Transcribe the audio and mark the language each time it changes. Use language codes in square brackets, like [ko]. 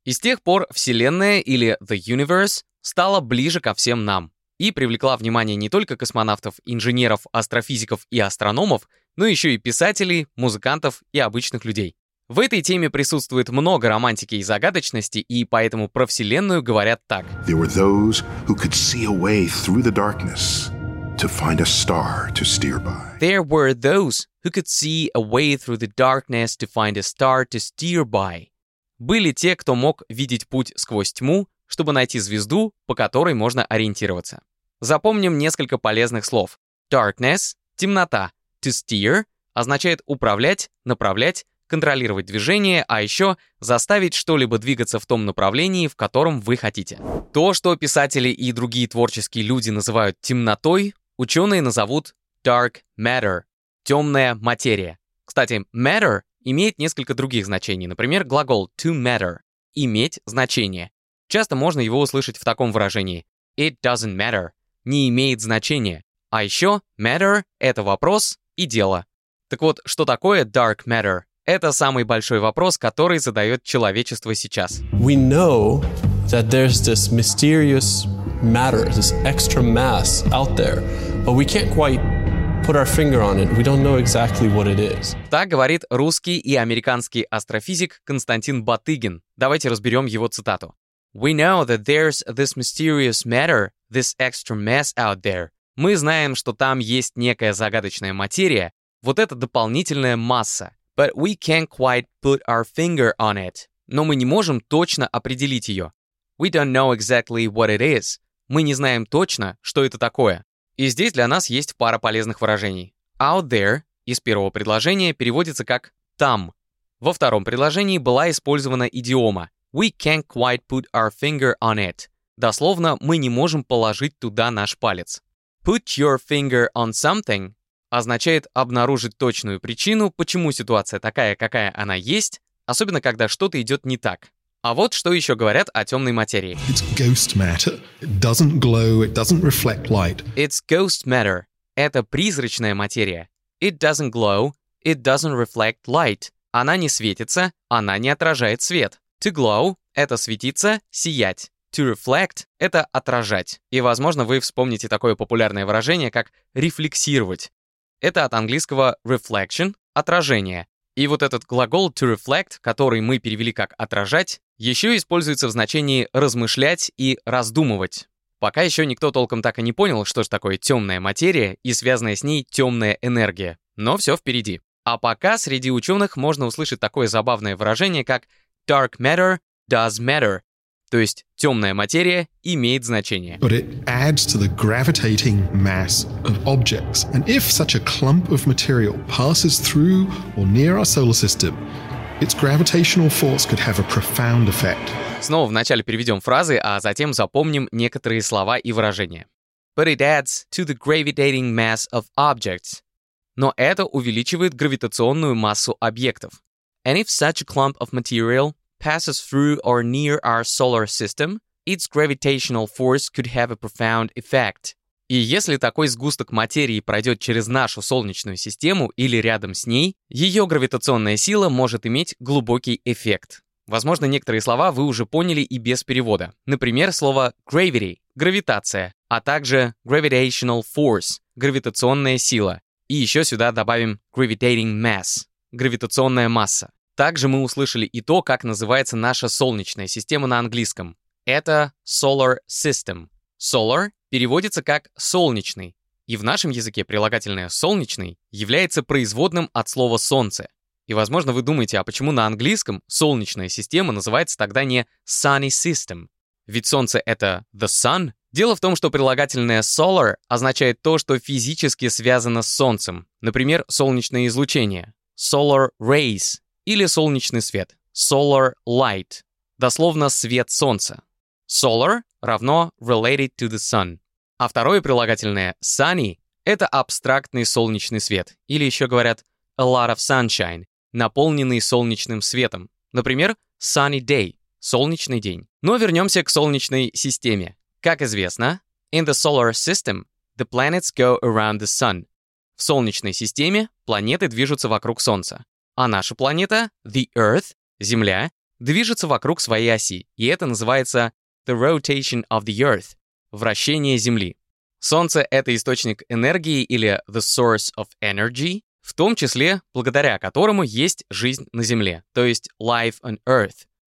[ru] И с тех пор Вселенная, или [en] The Universe, [ru] стала ближе ко всем нам и привлекла внимание не только космонавтов, инженеров, астрофизиков и астрономов, но еще и писателей, музыкантов и обычных людей. В этой теме присутствует много романтики и загадочности, и поэтому про Вселенную говорят так. [en] There were those who could see a way through the darkness. To find a star to steer by. There were those who could see a way through the darkness to find a star to steer by. [ru] Были те, кто мог видеть путь сквозь тьму, чтобы найти звезду, по которой можно ориентироваться. Запомним несколько полезных слов. Darkness — темнота. [en] To steer [ru] означает управлять, направлять, контролировать движение, а еще заставить что-либо двигаться в том направлении, в котором вы хотите. То, что писатели и другие творческие люди называют темнотой, ученые назовут [en] dark matter [ru] — темная материя. Кстати, matter имеет несколько других значений. Например, глагол [en] to matter [ru] — иметь значение. Часто можно его услышать в таком выражении. [en] It doesn't matter [ru] — не имеет значения. А еще matter — это вопрос и дело. Так вот, что такое [en] dark matter? [ru] Это самый большой вопрос, который задает человечество сейчас. [en] We know that there's this mysterious matter, this extra mass out there. But we can't quite put our finger on it. We don't know exactly what it is. [ru] Так говорит русский и американский астрофизик Константин Батыгин. Давайте разберем его цитату. [en] We know that there's this mysterious matter, this extra mass out there. [ru] Мы знаем, что там есть некая загадочная материя, вот эта дополнительная масса. [en] But we can't quite put our finger on it. [ru] Но мы не можем точно определить ее. [en] We don't know exactly what it is. [ru] Мы не знаем точно, что это такое. И здесь для нас есть пара полезных выражений. [en] Out there [ru] из первого предложения переводится как там. Во втором предложении была использована идиома [en] We can't quite put our finger on it. [ru] Дословно, мы не можем положить туда наш палец. [en] Put your finger on something [ru] означает обнаружить точную причину, почему ситуация такая, какая она есть, особенно когда что-то идет не так. А вот что еще говорят о темной материи. [en] It's ghost matter. It doesn't glow, it doesn't reflect light. It's ghost matter. [ru] Это призрачная материя. [en] It doesn't glow, it doesn't reflect light. [ru] Она не светится, она не отражает свет. [en] To glow [ru] — это светиться, сиять. [en] To reflect [ru] — это отражать. И, возможно, вы вспомните такое популярное выражение, как рефлексировать. Это от английского reflection — отражение. И вот этот глагол [en] to reflect, [ru] который мы перевели как отражать, еще используется в значении размышлять и раздумывать. Пока еще никто толком так и не понял, что же такое темная материя и связанная с ней темная энергия. Но все впереди. А пока среди ученых можно услышать такое забавное выражение, как [en] dark matter does matter. [ru] То есть темная материя имеет значение. [en] But it adds to the gravitating mass of objects. And if such a clump of material passes through or near our solar system, its gravitational force could have a profound effect. [ru] Снова вначале переведем фразы, а затем запомним некоторые слова и выражения. [en] But it adds to the gravitating mass of objects. [ru] Но это увеличивает гравитационную массу объектов. [en] And if such a clump of material passes through or near our solar system, its gravitational force could have a profound effect. [ru] И если такой сгусток материи пройдет через нашу Солнечную систему или рядом с ней, ее гравитационная сила может иметь глубокий эффект. Возможно, некоторые слова вы уже поняли и без перевода. Например, слово gravity — гравитация, а также [en] gravitational force [ru] — гравитационная сила. И еще сюда добавим [en] gravitating mass [ru] — гравитационная масса. Также мы услышали и то, как называется наша Солнечная система на английском. [en] Это Solar System. [ru] Solar переводится как «солнечный». И в нашем языке прилагательное «солнечный» является производным от слова «солнце». И, возможно, вы думаете, а почему на английском «солнечная система» называется тогда не [en] «sunny system»? [ru] Ведь солнце — это [en] «the sun», [ru] Дело в том, что прилагательное solar означает то, что физически связано с Солнцем. Например, солнечное излучение – [en] solar rays, [ru] или солнечный свет – [en] solar light, [ru] дословно свет Солнца. [en] Solar [ru] равно [en] related to the sun. [ru] А второе прилагательное sunny – это абстрактный солнечный свет, или еще говорят [en] a lot of sunshine, [ru] наполненный солнечным светом. Например, [en] sunny day [ru] – солнечный день. Но вернемся к солнечной системе. Как известно, [en] in the solar system, the planets go around the sun. [ru] В солнечной системе планеты движутся вокруг Солнца. А наша планета, [en] the Earth, [ru] Земля, движется вокруг своей оси. И это называется [en] the rotation of the Earth, [ru] вращение Земли. Солнце — это источник энергии или [en] the source of energy, [ru] в том числе благодаря которому есть жизнь на Земле, то есть [en] life on Earth.